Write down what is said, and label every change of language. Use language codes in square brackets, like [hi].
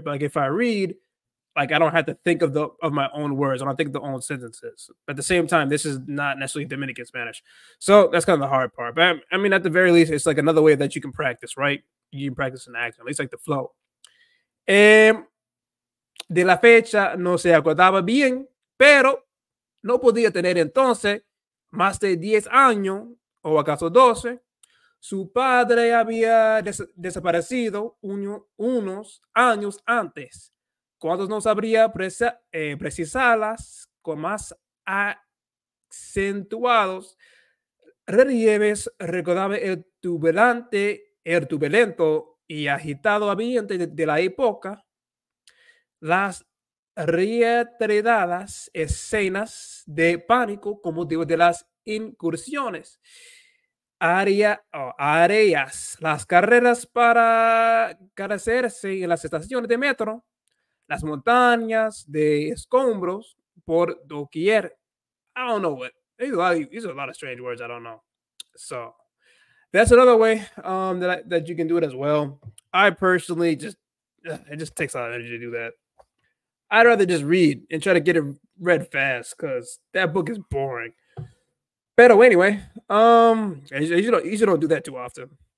[en] But, like, if I read, like, I don't have to think of my own words. I don't think of the own sentences. But at the same time, this is not necessarily Dominican Spanish. So that's kind of the hard part. But I mean, at the very least, it's like another way that you can practice, right? You can practice an accent, at least like the flow. [es] De la fecha no se acordaba bien, pero no podía tener entonces más de 10 años o acaso 12. Su padre había desaparecido unos años antes. ¿Cuántos no sabría precisarlas con más acentuados relieves? Recordaba el turbulento y agitado ambiente de la época, las reiteradas escenas de pánico con motivo de las incursiones, áreas, las carreras para carecerse en las estaciones de metro, las montañas de escombros por doquier. [en] I don't know what. These are a lot of strange words. I don't know. So that's another way that you can do it as well. I personally it just takes a lot of energy to do that. I'd rather just read and try to get it read fast because that book is boring. But anyway, you don't do that too often.